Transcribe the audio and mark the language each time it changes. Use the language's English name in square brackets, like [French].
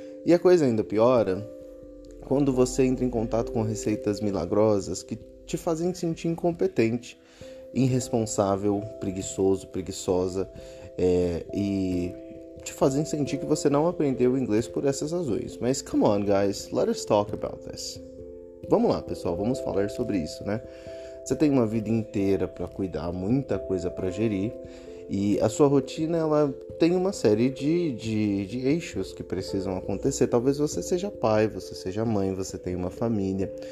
[Portuguese] E a coisa ainda piora quando você entra em contato com receitas milagrosas que te fazem sentir incompetente, irresponsável, preguiçoso, preguiçosa, e te fazem sentir que você não aprendeu inglês por essas razões. [English] Mas come on, guys, let us talk about this. [Portuguese] Vamos lá, pessoal, vamos falar sobre isso, né? Você tem uma vida inteira para cuidar, muita coisa para gerir, e a sua rotina, ela tem uma série de eixos que precisam acontecer. Talvez você seja pai, você seja mãe, você tenha uma família.